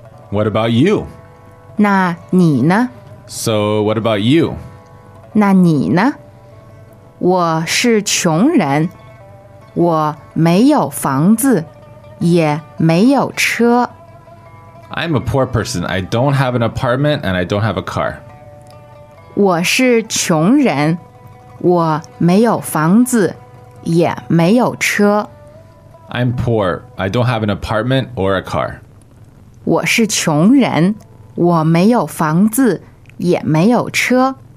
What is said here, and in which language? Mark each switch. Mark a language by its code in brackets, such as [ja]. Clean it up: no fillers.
[en] What about you? [zh] 那你呢? [en] So what about you? [zh] 那你呢？我是穷人，我没有房子，也没有车。 [en] I'm a poor person. I don't have an apartment and I don't have a car. [zh] 我是穷人，我没有房子，也没有车。 [en] I'm poor. I don't have an apartment or a car. [zh] 我是穷人，我没有房子，也没有车。